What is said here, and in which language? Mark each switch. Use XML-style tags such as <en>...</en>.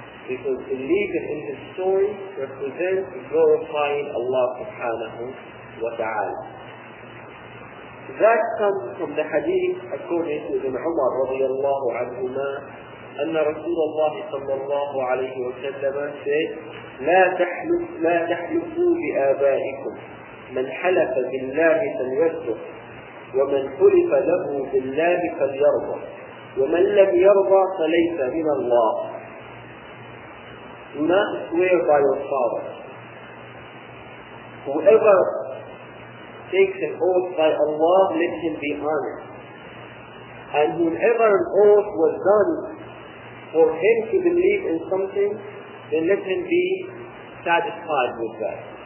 <en>Because believing in his story represents glorifying Allah subhanahu wa ta'ala. That comes from the hadith according to Ibn Umar radiallahu anhuma.</en> <ar>أن رسول الله صلى الله عليه وسلم</ar> <en>said</en> <ar>لا تحلفوا بآبائكم من حلف بالله فليصدق ومن حلف له بالله فليرضى ومن لم يرضى فليس من الله.</ar> <en>Do not swear by your father. Whoever takes an oath by Allah, let him be honest. And whenever an oath was done for him to believe in something, then let him be satisfied with that.</en>